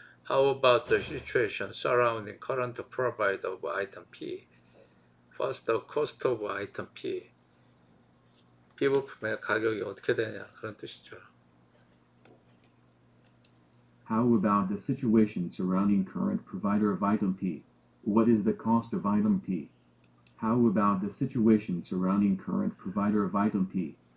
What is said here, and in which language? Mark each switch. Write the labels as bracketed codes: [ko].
[en] How about the situation surrounding current provider of item P? What's the cost of item P? [ko] P 부품의 가격이 어떻게 되냐. 그런 뜻이죠. [en] How about the situation surrounding current provider of item P? What is the cost of item P? How about the situation surrounding current provider of item P?